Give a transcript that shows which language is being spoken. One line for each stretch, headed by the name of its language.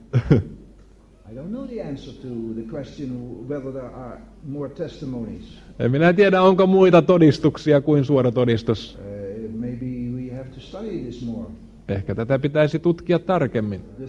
English: I don't know the answer to the question whether there are more testimonies.
Finnish: En minä tiedä, onko muita todistuksia kuin suora todistus.
English: Maybe we have to study this more.
Finnish: Ehkä tätä pitäisi tutkia tarkemmin.